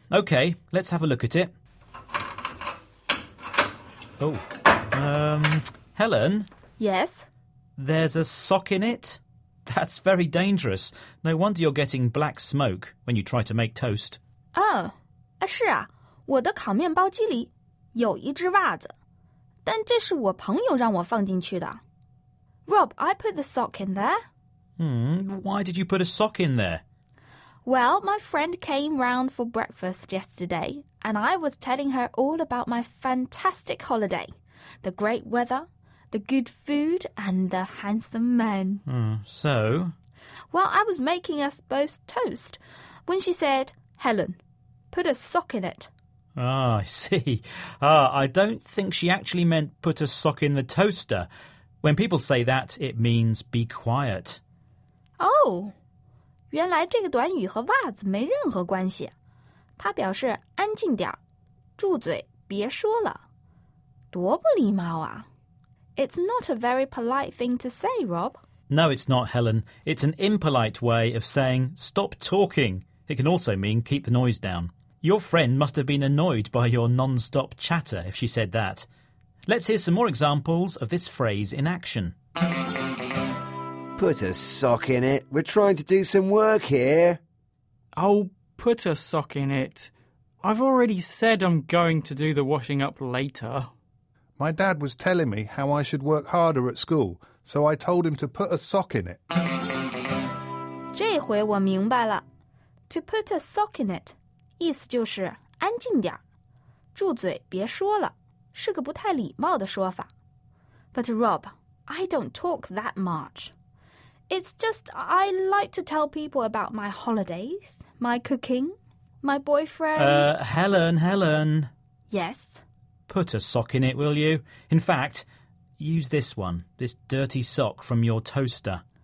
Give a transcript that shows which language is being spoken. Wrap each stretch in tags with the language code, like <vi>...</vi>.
<en>Okay, let's have a look at it. Oh, Helen? Yes? There's a sock in it? That's very dangerous. No wonder you're getting black smoke when you try to make toast.</en> <zh>Oh, 是啊。我的烤面包机里有一只袜子，但这是我朋友让我放进去的。</zh> <en>Rob, I put the sock in there. Why did you put a sock in there? Well, my friend came round for breakfast yesterday, and I was telling her all about my fantastic holiday, the great weather, the good food, and the handsome men. So? Well, I was making us both toast when she said, Helen, put a sock in it. Oh, I see. I don't think she actually meant put a sock in the toaster. When people say that, it means be quiet.</en> <zh>Oh, 原来这个短语和袜子没任何关系。它表示安静点住嘴别说了。多不礼貌啊。</zh> <en>It's not a very polite thing to say, Rob. No, it's not, Helen. It's an impolite way of saying stop talking. It can also mean keep the noise down. Your friend must have been annoyed by your non-stop chatter if she said that. Let's hear some more examples of this phrase in action. Put a sock in it. We're trying to do some work here. Oh, put a sock in it. I've already said I'm going to do the washing up later. My dad was telling me how I should work harder at school, so I told him to put a sock in it.</en> <zh>这回我明白了。</zh> <en>To put a sock in it.</en> <zh>意思就是安静点住嘴别说了是个不太礼貌的说法。</zh> <en>But Rob, I don't talk that much. It's just I like to tell people about my holidays, my cooking, my boyfriends. Helen. Yes? Put a sock in it, will you? In fact, use this one, this dirty sock from your toaster.</en>